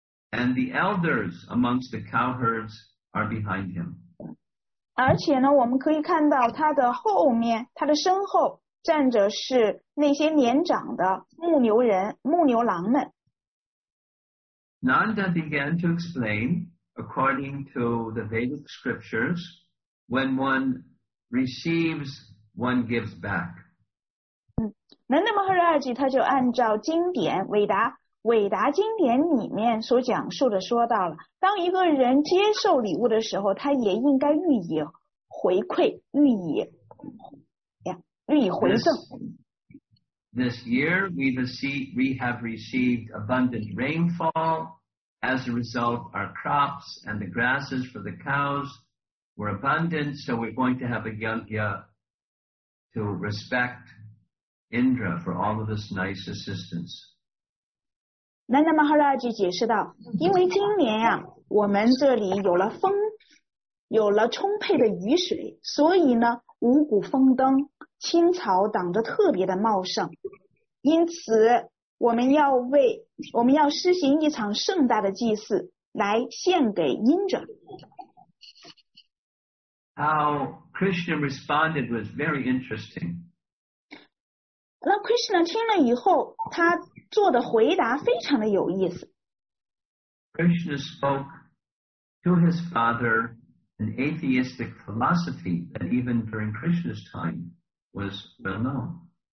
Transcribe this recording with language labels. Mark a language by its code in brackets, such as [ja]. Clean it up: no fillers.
[en] And the elders amongst the cowherds are behind him. [zh] 而且呢，我们可以看到他的后面，他的身后站着是那些年长的牧牛人、牧牛郎们。 [en] Nanda began to explain, according to the Vedic scriptures, when one receives, one gives back. [zh] Nanda Maharaj 他就按照经典《韦达经典》里面所讲述的说到了，当一个人接受礼物的时候，他也应该予以回馈，予以回赠。 [en] This year we have received abundant rainfall. As a result, our crops and the grasses for the cows were abundant, so we're going to have a yajna to respect Indra for all of this nice assistance. [zh] 南达马哈拉吉解释道，因为今年呀、我们这里有了风，有了充沛的雨水，所以呢五谷丰登，青草长得特别的茂盛，因此我们要施行一场盛大的祭祀来献给因者。 [en] How Krishna responded was very interesting. [zh] 那 Krishna 听了以后他做的回答非常的有意思。 [en] Krishna spoke to his father an atheistic philosophy that even during Krishna's time was well known.